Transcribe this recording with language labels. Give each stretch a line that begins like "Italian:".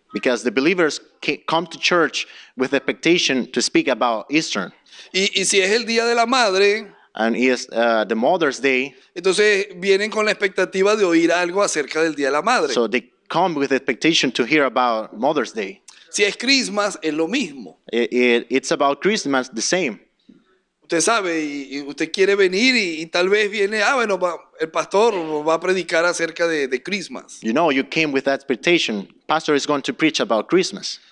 English: Because the believers come to church with the expectation to speak about Easter.
Spanish: Y si es el día de la madre,
English: and it is the Mother's Day.
Spanish: Entonces vienen con la expectativa de oír algo acerca del día de la madre.
English: So they come with the expectation to hear about Mother's Day.
Spanish: Si es Christmas, es lo mismo.
English: It's about Christmas, the same.
Spanish: Usted sabe, y usted quiere venir, y tal vez viene, ah, bueno, va, el pastor va a predicar acerca de Christmas.
English: You know, you came with that expectation. Pastor is going to preach about Christmas.